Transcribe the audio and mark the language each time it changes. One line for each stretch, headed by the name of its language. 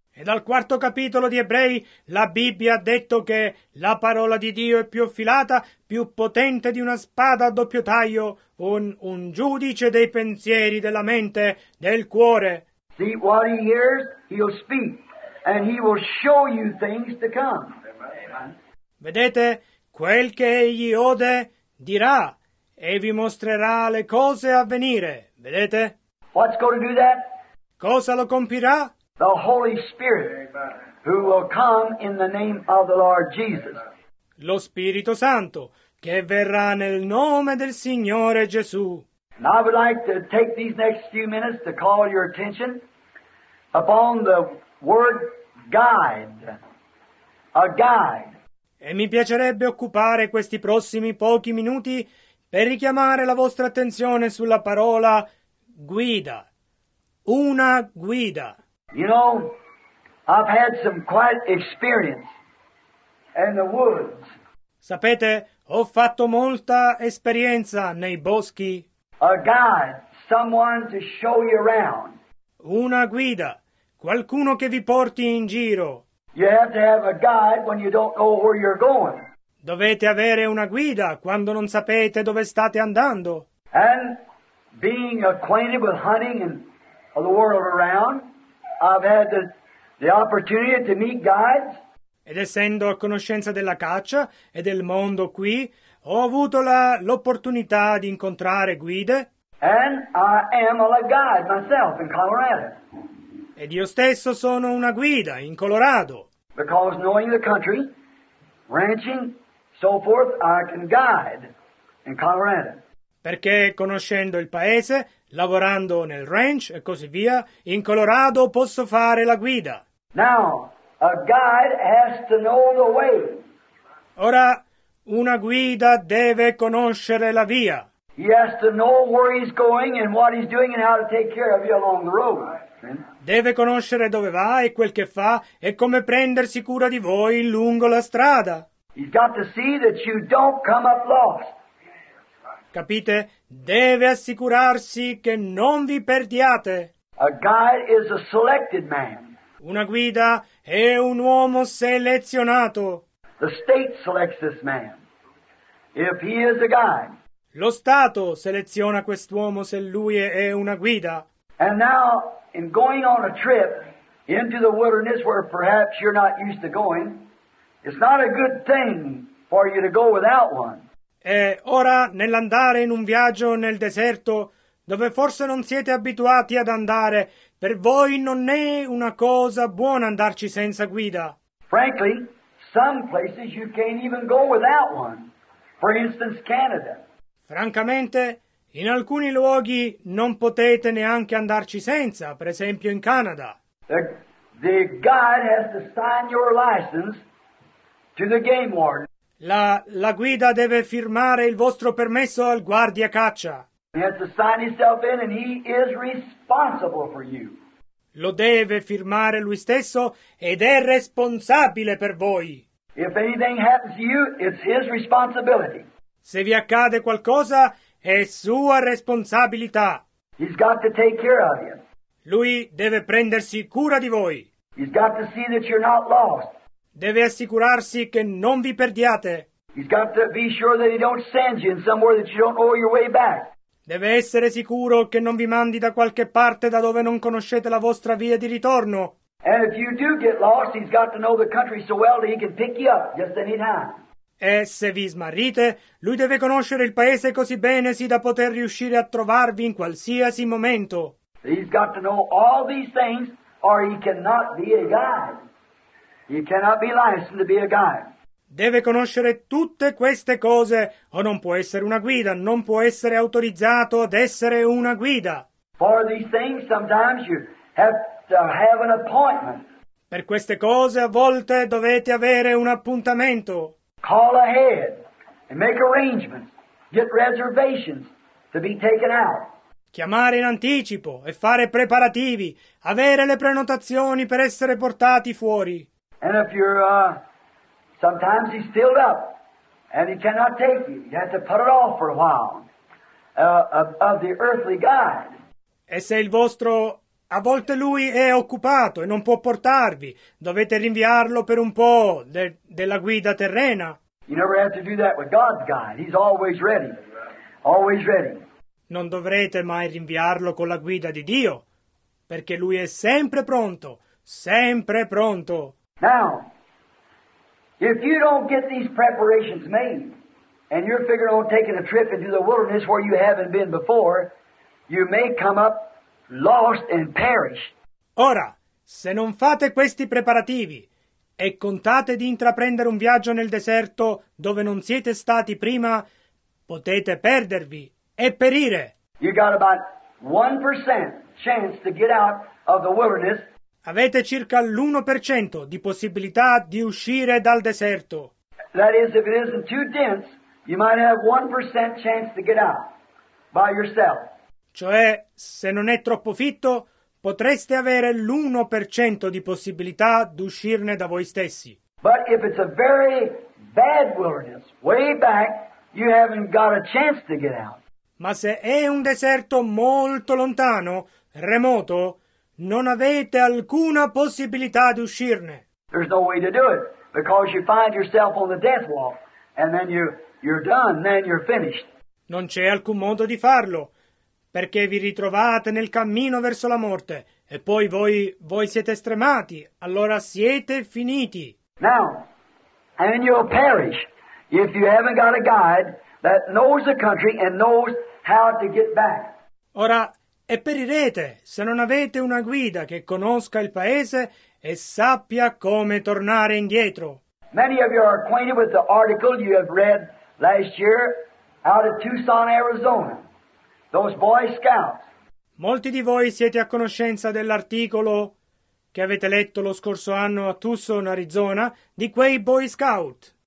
Italian: E dal quarto capitolo di Ebrei la Bibbia ha detto che la parola di Dio è più affilata, più potente di una spada a doppio taglio, un giudice dei pensieri, della mente, del cuore.
English: See, what he hears, he'll speak, and he will show you things to come.
Italian: Vedete, quel che egli ode, dirà, e vi mostrerà le cose a venire. Vedete?
English: What's going to do that?
Italian: Cosa lo compirà?
English: The Holy Spirit, who will come in the name of the Lord Jesus.
Italian: Lo Spirito Santo, che verrà nel nome del Signore Gesù.
English: And I would like to take these next few minutes to call your attention upon the word guide. A guide.
Italian: E mi piacerebbe occupare questi prossimi pochi minuti per richiamare la vostra attenzione sulla parola guida. Una guida.
English: You know, I've had some quiet experience in the woods.
Italian: Sapete, ho fatto molta esperienza nei boschi.
English: A guide, someone to show you around.
Italian: Una guida, qualcuno che vi porti in giro.
English: You have to have a guide when you don't know where you're going.
Italian: Dovete avere una guida quando non sapete dove state andando.
English: And being acquainted with hunting and the world around, I've had the opportunity to meet guides.
Italian: Ed essendo a conoscenza della caccia e del mondo qui, ho avuto l'opportunità di incontrare guide.
English: And I am a guide myself in Colorado.
Italian: Ed io stesso sono una guida in Colorado.
English: Because knowing the country, ranching, so forth, I can guide in Colorado.
Italian: Perché conoscendo il paese, lavorando nel ranch e così via, in Colorado posso fare la guida.
English: Now, a guide has to know the way.
Italian: Ora, una guida deve conoscere la via.
English: He has to know where he's going and what he's doing and how to take care of you along the road.
Italian: Deve conoscere dove va e quel che fa e come prendersi cura di voi lungo la strada.
English: He's got to see that you don't come up lost.
Italian: Capite? Deve assicurarsi che non vi perdiate.
English: A guide is a selected man.
Italian: Una guida è un uomo selezionato.
English: The state selects this man. If he is a guide.
Italian: Lo Stato seleziona quest'uomo se lui è una guida.
English: And now, in going on a trip into the wilderness where perhaps you're not used to going, it's not a good thing for you to go without one.
Italian: E ora, nell'andare in un viaggio nel deserto, dove forse non siete abituati ad andare, per voi non è una cosa buona andarci senza guida.
English: Frankly, some places you can't even go without one. For instance, Canada.
Italian: Francamente, in alcuni luoghi non potete neanche andarci senza, per esempio in Canada.
English: The guide has to sign your license to the game warden.
Italian: La guida deve firmare il vostro permesso al guardia caccia.
English: He has to sign himself in and he is responsible for you.
Italian: Lo deve firmare lui stesso ed è responsabile per voi.
English: If anything happens to you, it's his responsibility.
Italian: Se vi accade qualcosa, è sua responsabilità.
English: He's got to take care of you.
Italian: Lui deve prendersi cura di voi.
English: He's got to see that you're not lost.
Italian: Deve assicurarsi che non vi perdiate.
English: He's got to be sure that he don't send you in somewhere that you don't know your way back.
Italian: Deve essere sicuro che non vi mandi da qualche parte da dove non conoscete la vostra via di ritorno.
English: And if you do get lost, he's got to know the country so well that he can pick you up just any time.
Italian: E se vi smarrite, lui deve conoscere il paese così bene sì da poter riuscire a trovarvi in qualsiasi momento.
English: He's got to know all these things or he cannot be a guide. He cannot be licensed to be a guide.
Italian: Deve conoscere tutte queste cose o non può essere una guida, non può essere autorizzato ad essere una guida.
English: For these things sometimes you have to have an appointment.
Italian: Per queste cose a volte dovete avere un appuntamento.
English: Call ahead and make arrangements. Get reservations to be taken out.
Italian: Chiamare in anticipo e fare preparativi. Avere le prenotazioni per essere portati fuori.
English: And if you're, sometimes he's filled up and he cannot take you. You have to put it off for a while. Of the earthly guide.
Italian: E se il vostro, a volte lui è occupato e non può portarvi. Dovete rinviarlo per un po' della guida terrena.
English: You never have to do that with God's guide. He's always ready. Always ready.
Italian: Non dovrete mai rinviarlo con la guida di Dio, perché lui è sempre pronto. Sempre pronto.
English: Now, if you don't get these preparations made, and you're figuring on taking a trip into the wilderness where you haven't been before, you may come up lost and perish.
Italian: Ora, se non fate questi preparativi e contate di intraprendere un viaggio nel deserto dove non siete stati prima, potete perdervi e perire.
English: You got about 1% chance to get out of the wilderness.
Italian: Avete circa l'1% di possibilità di uscire dal deserto.
English: That is, if it isn't too dense, you might have 1% chance to get out by yourself.
Italian: Cioè, se non è troppo fitto, potreste avere l'1% di possibilità di uscirne da voi stessi.
English: But if it's a very bad wilderness, way back, you haven't got a chance to get out.
Italian: Ma se è un deserto molto lontano, remoto, non avete alcuna possibilità di uscirne.
English: There's no way to do it, because you find yourself on the death walk, and then you're done, then you're finished.
Italian: Non c'è alcun modo di farlo. Perché vi ritrovate nel cammino verso la morte e poi voi siete stremati, allora siete finiti.
English: Now, and you'll perish if you haven't got a guide that knows the country and knows how to get back.
Italian: Ora, e perirete se non avete una guida che conosca il paese e sappia come tornare indietro.
English: Many of you are acquainted with the article you have read last year out of Tucson, Arizona. Those Boy Scouts.
Italian: Molti di voi siete a conoscenza dell'articolo che avete letto lo scorso anno a Tucson, Arizona, di quei Boy Scout.